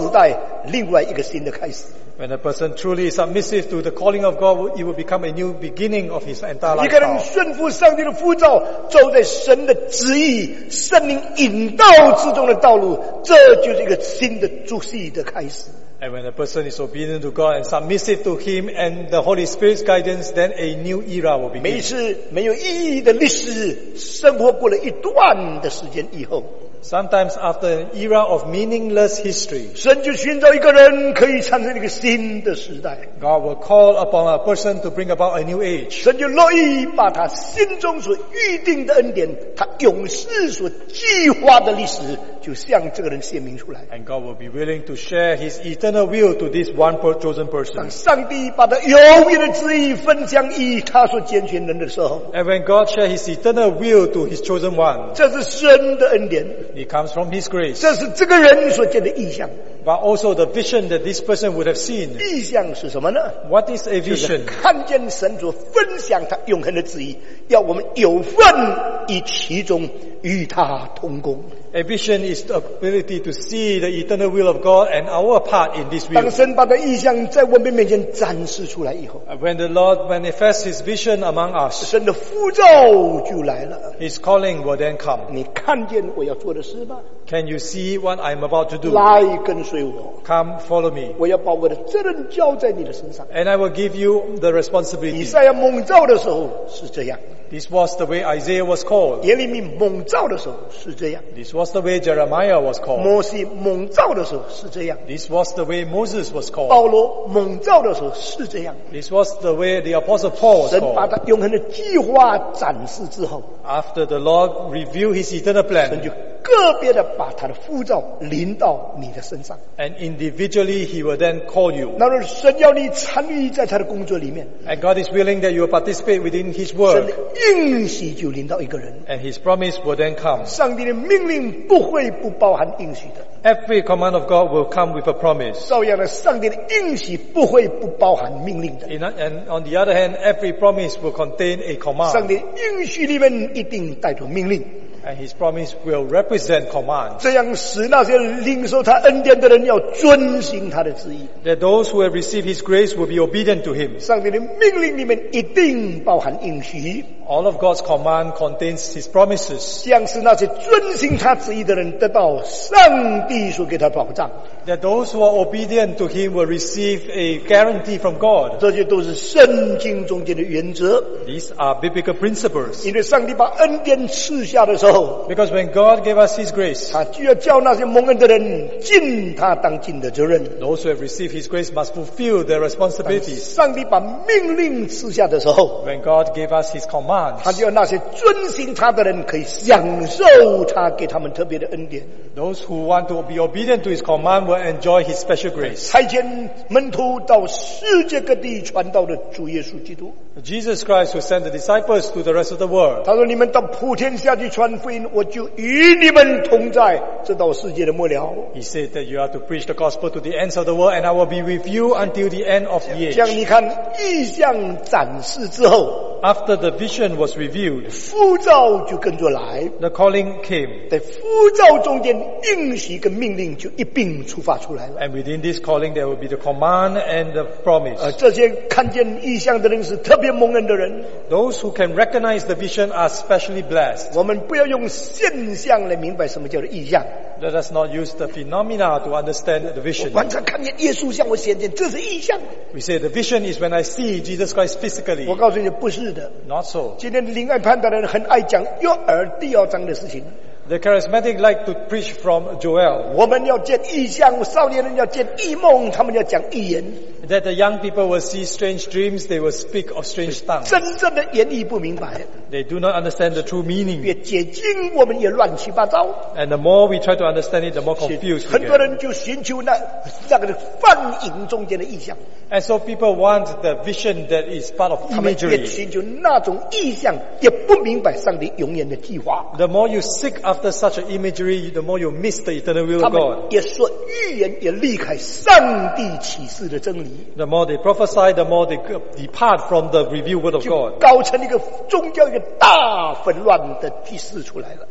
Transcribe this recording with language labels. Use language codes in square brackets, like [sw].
[zh] 一个人真正顺服上帝的呼召，就是他以后的时代另外一个新的开始。 [en] When a person truly is submissive to the calling of God, it will become a new beginning of his entire life. [zh] 一个人顺服上帝的呼召，走在神的旨意、圣灵引导之中的道路，这就是一个新的主席的开始。 [en] And when a person is obedient to God and submissive to Him and the Holy Spirit's guidance, then a new era will begin. [zh] 每次没有意义的历史，生活过了一段的时间以后。 [en] Sometimes after an era of meaningless history, [zh] 神就寻找一个人可以产生一个新的时代。 [en] God will call upon a person to bring about a new age. [zh] 神就乐意把他心中所预定的恩典，他永世所计划的历史，就向这个人显明出来。 [en] And God will be willing to share His eternal will to this one chosen person. [zh] 当上帝把他永远的旨意分享于他所拣选人的时候， [en] And when God shares His eternal will to His chosen one, [zh] 这是神的恩典。 [en] It comes from His grace. [zh] 这是这个人所见的意象。 [en] But also the vision that this person would have seen. [zh] 意象是什么呢？ [en] What is a vision? [zh] 就是看见神主分享他永恒的旨意，要我们有份于其中，与他同工。 [en] A vision is the ability to see the eternal will of God and our part in this will. [zh] 当神把的意象在我们面前展示出来以后， [en] When the Lord manifests His vision among us, [zh] 神的呼召就来了。 [en] His calling will then come. [zh] 你看见我要做的事吗？ [en] Can you see what I'm about to do? [zh] 来跟随我。 [en] Come, follow me. [zh] 我要把我的责任交在你的身上。 [en] And I will give you the responsibility. [zh] 以赛亚蒙召的时候是这样。 [en] This was the way Isaiah was called. [zh] 耶利米蒙召的时候是这样。 [en] This was the way Jeremiah was called. [zh] 摩西蒙召的时候是这样。 [en] This was the way Moses was called. [zh] 保罗蒙召的时候是这样。 [en] This was the way the Apostle Paul was called. [zh] 神把他永恒的计划展示之后， [en] After the Lord revealed His eternal plan, [zh] 神就个别的把他的呼召临到你的身上。 [en] And individually He will then call you. [zh] 那么神要你参与在他的工作里面。 [en] And God is willing that you will participate within His work. [zh] 应许就临到一个人， [en] and His promise will then come. [zh] 上帝的命令不会不包含应许的。 [en] Every command of God will come with a promise. [zh] 照样的，上帝的应许不会不包含命令的。 [en] And on the other hand, every promise will contain a command. [zh] 上帝的应许里面一定带着命令。 [en] And His promise will represent command. [zh] 这样使那些领受他恩典的人要遵行他的旨意。 [en] That those who have received His grace will be obedient to Him. [zh] 上帝的命令里面一定包含应许。 [en] All of God's command contains His promises. [zh] 像是那些遵行他旨意的人得到上帝所给他保障。 [en] That those who are obedient to Him will receive a guarantee from God. [zh] 这些都是圣经中间的原则。 [en] These are biblical principles. [zh] 因为上帝把恩典赐下的时候， [en] Because when God gave us His grace, [zh] 他就要叫那些蒙恩的人尽他当尽的责任。 [en] Those who have received His grace must fulfill their responsibilities. [zh] 上帝把命令赐下的时候， [en] When God gave us His command, [zh] 他就要那些遵行他的人可以享受他给他们特别的恩典。 [en] Those who want to be obedient to His command will enjoy His special grace. [zh] 差遣门徒到世界各地传道的主耶稣基督。 [en] Jesus Christ who sent the disciples to the rest of the world. [zh] 他说：“你们到普天下去传福音，我就与你们同在，直到世界的末了。” [en] He said that you are to preach the gospel to the ends of the world, and I will be with you until the end of the age. [zh] 像你看意象展示之后， [en] After the vision was revealed, [zh] 呼召就跟着来。 [en] The calling came. [zh] 在呼召中间，应许跟命令就一并出发出来了。 [en] And within this calling, there will be the command and the promise. [zh] 这些看见意象的人是特别蒙恩的人。 [en] Those who can recognize the vision are specially blessed. [zh] 我们不要用现象来明白什么叫做意象。 [en] Let us not use the phenomena to understand the vision. [zh] 我完全看见耶稣向我显现，这是意象。 [en] We say the vision is when I see Jesus Christ physically. [zh] 我告诉你，不是的。 [en] Not so. [zh] 今天灵恩判断的人很爱讲约珥第二章的事情。 [en] The charismatic like to preach from Joel. [zh] 我们要见异象，少年人要见异梦，他们要讲异言。 [en] That the young people will see strange dreams, they will speak of strange tongues. [zh] 真正的原意不明白。 [en] They do not understand the true meaning. [zh] 越解经，我们也乱七八糟。 [en] And the more we try to understand it, the more confused. [zh] 很多人就寻求那个幻影中间的异象。 [en] And so people want the vision that is part of imagery. [zh] 越寻求那种异象，也不明白上帝永远的计划。 [en] The more you seek after such an imagery, the more you miss the eternal will of God. [zh] 他们也说预言，也离开上帝启示的真理。 [en] The more they prophesy, the more they depart from the revealed word of God. [zh] 就搞成一个宗教一个大混乱的局势出来了。